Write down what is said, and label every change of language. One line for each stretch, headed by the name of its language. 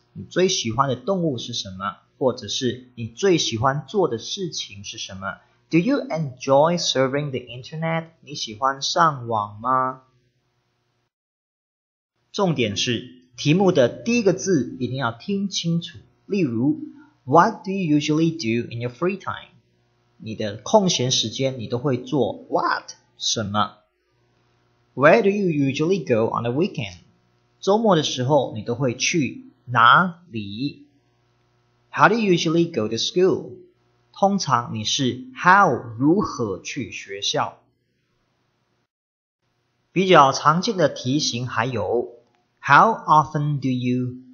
Chinese: 你最喜欢的动物是什么？或者是你最喜欢做的事情是什么？
English: Do you enjoy surfing the internet?
Chinese: 你喜欢上网吗？重点是题目的第一个字一定要听清楚。
English: 例如 What do you usually do in your free time?
Chinese: 你的空闲时间你都会做 What 什么？
English: Where do you usually go on the weekend?
Chinese: 周末的时候你都会去哪里？
English: How do you usually go to school?
Chinese: 通常你是
English: how
Chinese: 如何去学校。比较常见的题型还有
English: How often do you?